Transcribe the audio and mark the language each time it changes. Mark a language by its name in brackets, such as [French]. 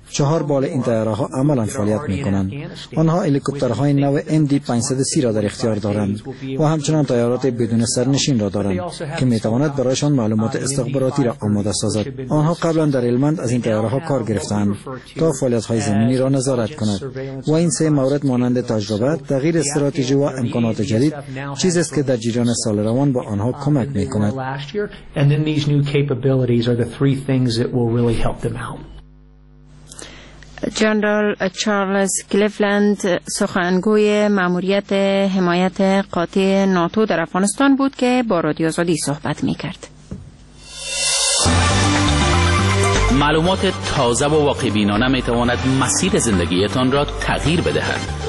[Persian] چهار بال این تیاره ها عملا فعالیت می کنند. آنها هلیکوپتر های نو MD530 را در اختیار دارند و همچنان تیارات بدون سرنشین را دارند که می تواند برایشان معلومات استخباراتی را آماده سازد. آنها قبلا در المند از این تیاره ها کار گرفتند تا فعالیت های زمینی را نظارت کند و این سه مورد مانند تجربه، تغییر استراتژی و امکانات جدید چیزی است که در جریان سال روان با آنها کمک می کند. [English] And then these new capabilities are the three things that will really help them out. [Persian] جنرال چارلز کلیفلند سخنگوی ماموریت حمایت قاطع ناتو در افغانستان بود که با رادیو آزادی صحبت می کرد. معلومات تازه و واقع بینانه می تواند مسیر زندگیتان را تغییر بدهد.